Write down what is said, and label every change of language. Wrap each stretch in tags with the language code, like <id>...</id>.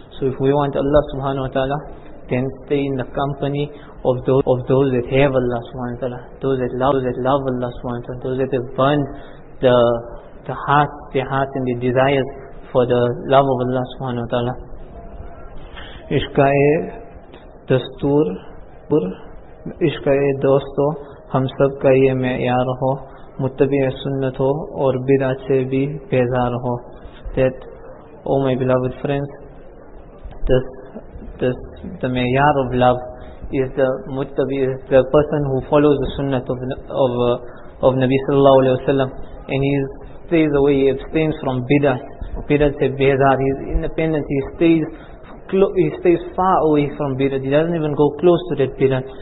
<en>So if we want Allah subhanahu wa ta'ala, then stay in the company of those that have Allah subhanahu wa ta'ala, those that love Allah subhanahu wa ta'ala, those that have burned the heart and the desires for the love of Allah subhanahu wa ta'ala.</en> <ur>عشق دوستو ہم سب کا یہ معیار ہو, متبع سنت ہو اور بدعت سے بھی بیزار ہو.</ur> <en>That, oh my beloved friends, the miyar of love is the person who follows the sunnah of Nabi sallallahu alayhi wa sallam, and he stays away, he abstains from</en> <ur>bidat se bezar,</ur> <en>he is independent, he stays far away from bidat, he doesn't even go close to that bidat.</en>